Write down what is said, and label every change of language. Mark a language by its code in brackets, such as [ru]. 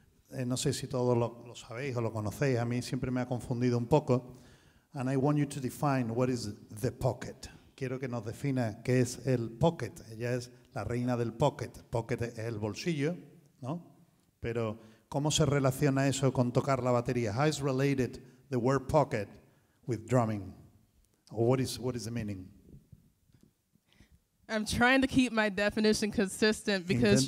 [es] No sé si todos lo sabéis o lo conocéis. A mí siempre me ha confundido un poco. [en] And I want you to define what is the pocket. [es] Quiero que nos defina qué es el pocket. Ella es la reina del pocket. Pocket es el bolsillo, ¿no? Pero ¿cómo se relaciona eso con tocar la batería? [en] How is related the word pocket with drumming? Or what is the meaning? I'm trying to keep my definition consistent because